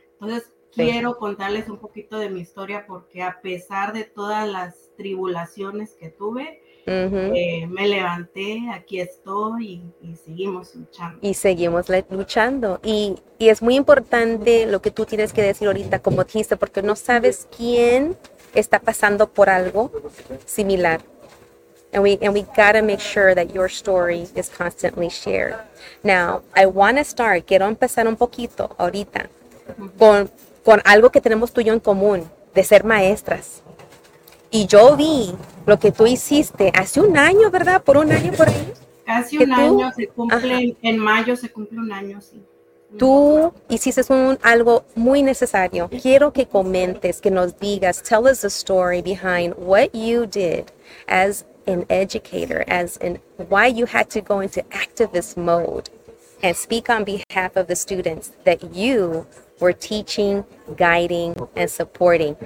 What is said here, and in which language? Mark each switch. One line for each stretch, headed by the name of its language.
Spanish: Entonces quiero contarles un poquito de mi historia, porque a pesar de todas las tribulaciones que tuve, me levanté, aquí estoy y seguimos luchando. Y seguimos luchando. Y es muy importante lo que tú tienes que decir ahorita, como dijiste, porque no sabes quién está pasando por algo similar.
English: And we gotta make sure that your story is constantly shared. Now, I wanna start,
Spanish: quiero empezar un poquito ahorita con algo que tenemos tú y yo en común, de ser maestras. Y yo vi lo que tú hiciste hace un año, ¿verdad? Por un año, por ahí. Casi un año, se cumple, en mayo se cumple un año, sí. Tú hiciste algo muy necesario. Quiero que comentes, que nos digas,
English: tell us the story behind what you did as an educator, as in why you had to go into activist mode and speak on behalf of the students that you were teaching, guiding, and supporting.